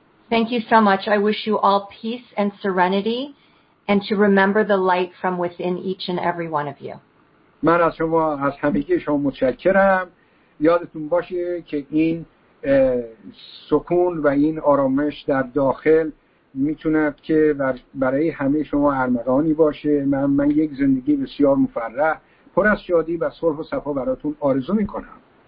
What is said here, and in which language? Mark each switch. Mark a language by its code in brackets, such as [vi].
[en] Thank you so much. I wish you all peace and serenity and to remember the light from within each and every one of you. [fa] من از شما از همگی شما متشکرم. یادتون باشه که این سکون و این آرامش در داخل میتونه که برای همه شما ارمغانی باشه. من یک زندگی بسیار مفرح پر از شادی و صلح و صفا براتون آرزو میکنم.